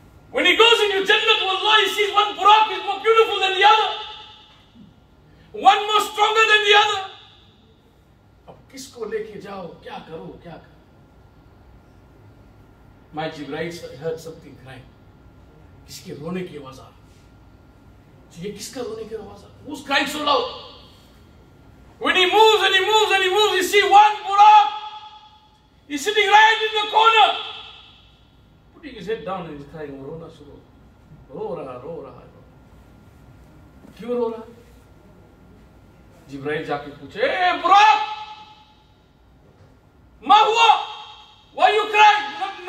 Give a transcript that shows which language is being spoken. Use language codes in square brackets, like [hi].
[en] When he goes into Jannat, Allah, he sees one burak is more beautiful than the other. One more stronger than the other. [ur] کس کو لے کے جاؤ, کیا کرو, کیا کرو. [en] My Jibreel heard something crying. [ur] کس کے رونے کی آواز آ رہی, یہ کس کا رونے کی آواز آ رہی, [en] who's crying so loud? When he moves and he moves and he moves, you see one burak is sitting right in the corner, putting his head down and he's crying. [ur] رونا شروع, رو رہا. کیوں رو رہا؟ Jibreel جا کے پوچھے, اے برق, [ar] Ma huwa? [en] Why you cry?